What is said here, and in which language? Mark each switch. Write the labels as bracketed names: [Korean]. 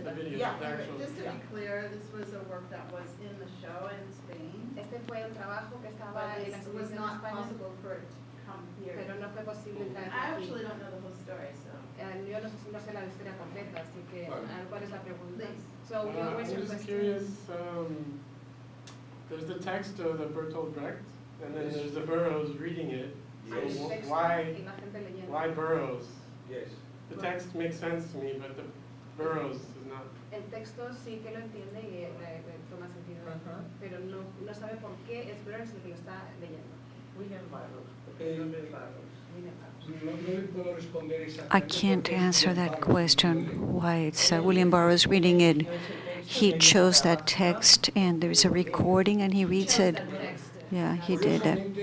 [English] to be clear, this was a work that was in the show in Spain. [Spanish] Este fue el trabajo que estaba en España. [English] It was not possible for it to come here. [Spanish] Pero no fue posible traer aquí. [English] I actually don't know the whole story, so. [Spanish] Yo no sé la historia completa, así que, ¿cuál es la pregunta? [English] So, I'm just curious, there's the text of the Bertolt Brecht, and then there's the Burroughs reading it. Yes. So why Burroughs? Yes. The text makes sense to me, but the Burroughs does not. [Spanish] El texto sí que lo entiende y toma sentido, pero no sabe por qué es Burroughs el que lo está leyendo. [English] William Burroughs. I can't answer that question, why it's William Burroughs reading it. He chose that text, and there's a recording, and he reads it. Yeah, he did that.